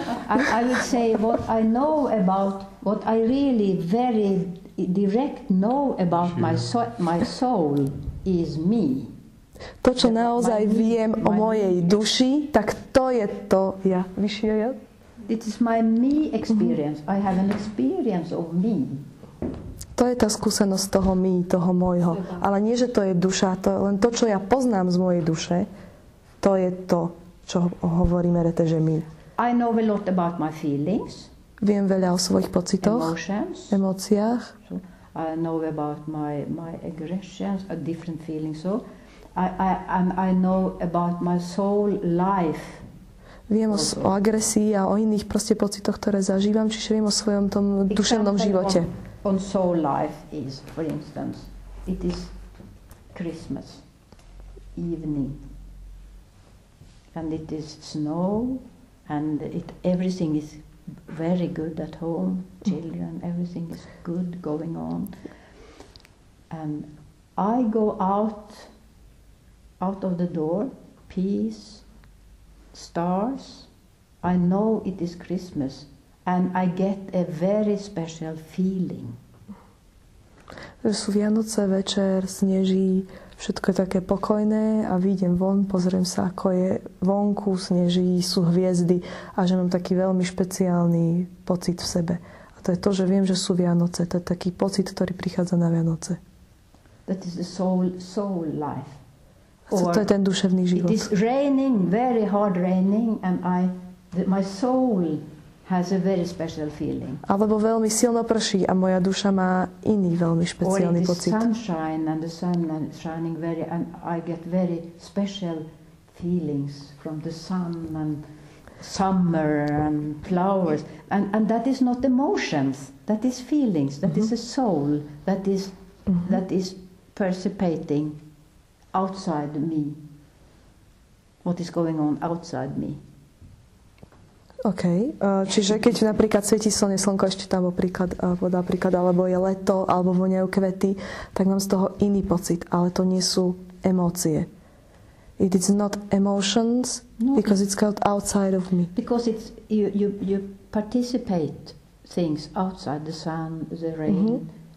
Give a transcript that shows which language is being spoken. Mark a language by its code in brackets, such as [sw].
[en] I would say what I know about, what I really very direct know about my soul is me. [sk] To, čo naozaj viem o mojej duši, tak to je to ja. Vyššie ja. [en] It is my me experience. Mm-hmm. I have an experience of me. [sk] To je tá skúsenosť toho me, toho môjho. Ale nie, že to je duša, to je len to, čo ja poznám z mojej duše, to je to, čo hovoríme, rete, že me. [en] I know a lot about my feelings. [sk] Viem veľa o svojich pocitoch, emóciách. [en] I know about my aggressions, different feelings. So I know about my soul life. [sk] Viem o agresii a o iných proste pocitoch, ktoré zažívam, čiže viem o svojom tom duševnom živote. [en] On soul life is, for instance, it is Christmas evening. And it is snow, and it everything is very good at home, children, everything is good going on. And I go out of the door, peace, stars, I know it is Christmas, and I get a very special feeling. [sk] Že sú Vianoce, večer, sneží, všetko je také pokojné a vyjdem von, pozriem sa, ako je vonku, sneží, sú hviezdy a že mám taký veľmi špeciálny pocit v sebe. A to je to, že viem, že sú Vianoce. To je taký pocit, ktorý prichádza na Vianoce. [en] That is the soul life. [sk] To je ten duševný život. [en] It is raining, very hard raining, and my soul has a very special feeling. [sk] Alebo veľmi silno prší a moja duša má iný veľmi špeciálny pocit. [en] Or it is sunshine and the sun is shining very, and I get very special feelings from the sun and summer and flowers. And that is not emotions, that is feelings, that mm-hmm. is a soul that is participating outside me, what is going on outside me. OK. [sk] Čiže keď napríklad svieti slnko, ešte tam voda príklad, alebo je leto, alebo voniajú kvety, tak mám z toho iný pocit, ale to nie sú emócie. [en] It is not emotions, no, because it's called outside of me. Because it's, you participate things outside, the sun, the rain, mm-hmm.